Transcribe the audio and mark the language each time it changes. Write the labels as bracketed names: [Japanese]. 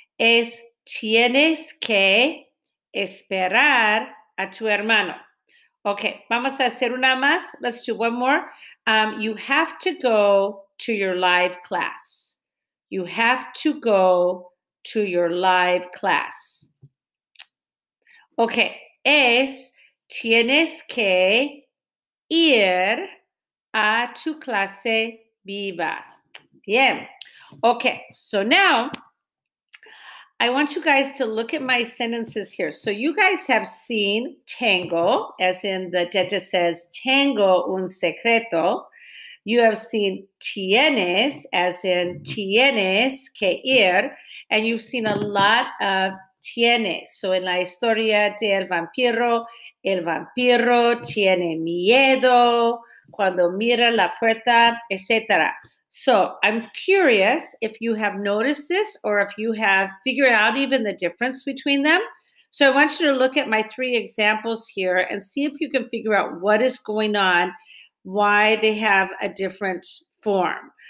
[Spanish] Es tienes que esperar a tu hermano. Okay, vamos a hacer una más. [English] Let's do one more. You have to go to your live class. You have to go to your live class. [Spanish] Okay, es tienes que ir a tu clase viva. Bien. [English] Okay, so now I want you guys to look at my sentences here. So you guys have seen tango, as in the dentist says, [Spanish] tengo un secreto. [English] you have seen tienes, as in [Spanish] tienes que ir, [English] and you've seen a lot of tienes. So in [Spanish] la historia del vampiro, el vampiro tiene miedo cuando mira la puerta, etc. [English] So I'm curious if you have noticed this or if you have figured out even the difference between them. So I want you to look at my three examples here and see if you can figure out what is going on, why they have a different form.